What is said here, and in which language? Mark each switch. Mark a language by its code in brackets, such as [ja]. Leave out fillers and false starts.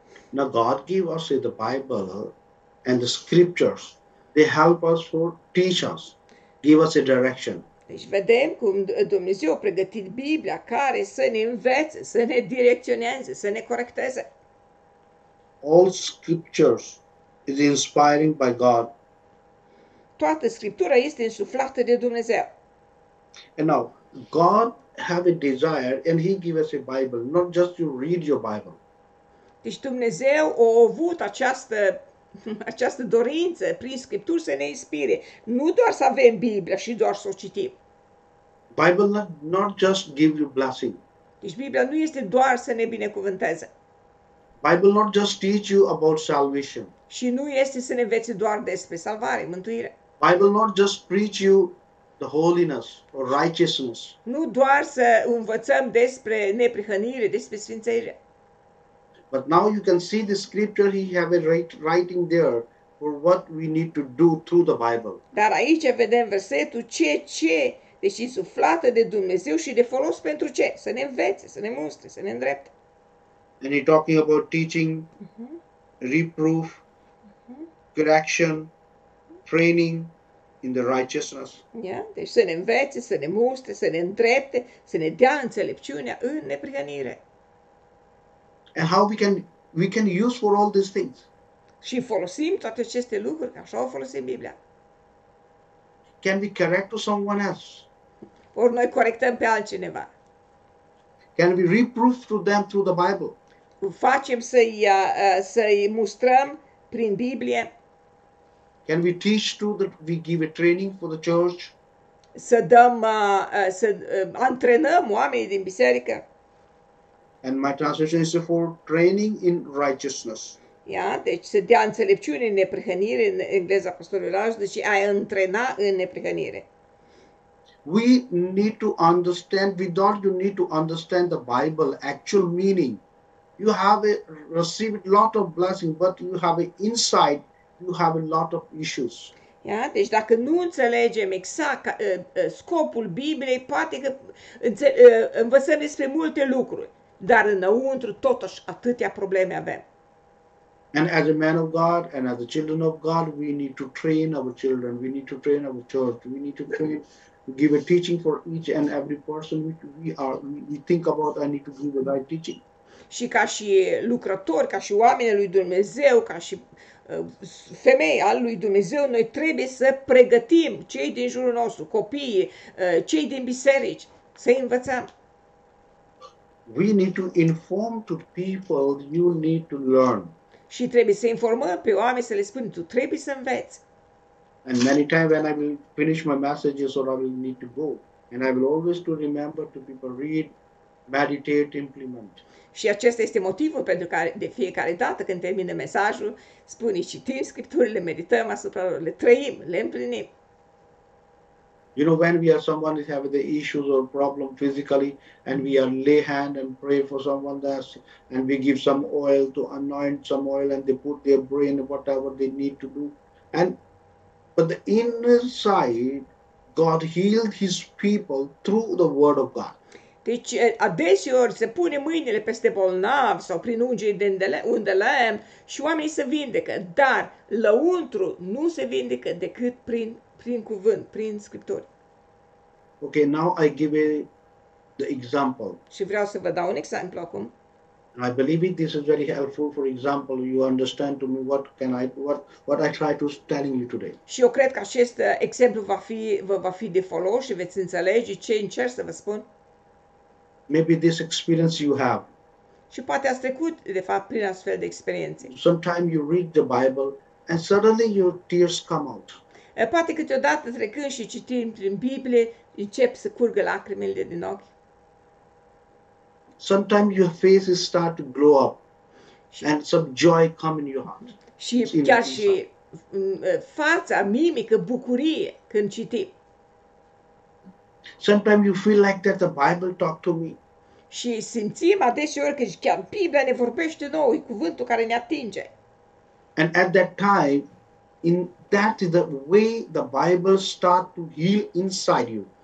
[en] Now God give us the Bible and the scriptures. They help us for teach us, give us a direction. [ro] Deci vedem cum Dumnezeu a pregătit Biblia care să ne învețe, să ne direcționeze, să ne corecteze. [en] All scriptures is inspiring by God. [ro] Toată Scriptura este însuflată de Dumnezeu. [en] And now, God have a desire and he give us a Bible, not just you read your Bible. [ro] Deci Dumnezeu a avut această dorință prin Scripturi să ne inspire. Nu doar să avem Biblia și doar să o citim. [en] Bible not just give you blessing. [ro] Deci Biblia nu este doar să ne binecuvânteze. [en] Bible not just teach you about salvation. [ro] Și nu este să ne învețe doar despre salvare, mântuire. [en] Bible not just preach you the holiness or righteousness. [ro] Nu doar să învățăm despre neprihănire, despre sfințenie. [en] But now you can see the scripture he have a writing there for what we need to do through the Bible. [ro] Dar aici vedem versetul ce, deci insuflată de Dumnezeu și de folos pentru ce? Să ne învețe, să ne mustre, să ne îndrepte. [en] And he's talking about teaching, reproof, correction, training in the righteousness. [ro] Yeah, deci să ne învețe, să ne mustre, să ne îndrepte, să ne dea înțelepciunea în neprihănire. [en] And how we can use for all these things. [ro] Și folosim toate aceste lucruri, așa o folosim Biblia. [en] Can we correct to someone else? [ro] Or noi corectăm pe altcineva. [en] Can we reproof to them through the Bible? [ro] Facem să-i mustrăm prin Biblie. [en] Can we teach to that we give a training for the church? [ro] Să dăm să antrenăm oamenii din biserică. [en] And my translation is for training in righteousness. [ro] Yeah, deci să dea înțelepciune în neprihănire, în engleza pastorului Laj, deci a antrena în neprihănire. [en] We need to understand, without you need to understand the Bible actual meaning. You have received a lot of blessing, but you have inside, you have a lot of issues. [ro] Yeah, deci dacă nu înțelegem exact scopul Bibliei, poate că învățăm despre multe lucruri, dar înăuntru totuși atâtea probleme avem. [en] And as a man of God and as a children of God, we need to train our children, we need to train our church, we need to train, give a teaching for each and every person which we think about, I need to give a right teaching. [ro] Și ca și lucrători, ca și oameni lui Dumnezeu, ca și femei al lui Dumnezeu, noi trebuie să pregătim cei din jurul nostru, copiii, cei din biserici, să învățăm. [en] We need to inform to people you need to learn. [ro] Și trebuie să informăm pe oameni, să le spunem, tu trebuie să înveți. [en] And many times when I will finish my messages or I will need to go, and I will always to remember to people read, meditate, implement. [ro] Și acesta este motivul pentru care de fiecare dată când termine mesajul, spune, citim scripturile, medităm asupra lor, le trăim, le împlinim. [en] You know, when we are someone is having the issues or problem physically and we are lay hand and pray for someone that's and we give some oil to anoint some oil and they put their brain whatever they need to do. But the inside, God healed his people through the word of God. [ro] Deci, adeseori se pune mâinile peste bolnavi sau prin ungeri de undelem și oamenii se vindecă, dar lăuntru nu se vindecă decât prin cuvânt, prin scripturi. [en] Ok, now I give the example. [ro] Și vreau să vă dau un exemplu acum. [en] I believe this is very helpful, for example, you understand to me what I try to tell you today. [ro] Și eu cred că acest exemplu va fi de folos și veți înțelege ce încerc să vă spun. [en] Maybe this experience you have. [ro] Și poate ați trecut, de fapt, prin astfel de experiențe. [en] Sometimes you read the Bible and suddenly your tears come out. [ro] Poate câteodată trecând și citind prin Biblie, încep să curgă lacrimile din ochi. [en] Sometimes your face start to glow up and some joy come in your heart. [ro] Și chiar și fața, mimică, bucurie când citim. [en] Sometimes you feel like that the Bible talk to me. [ro] Și simțim adeseori că chiar Biblia ne vorbește nouă, e cuvântul care ne atinge. [en] And at that time, in that is the way the Bible start to heal inside you.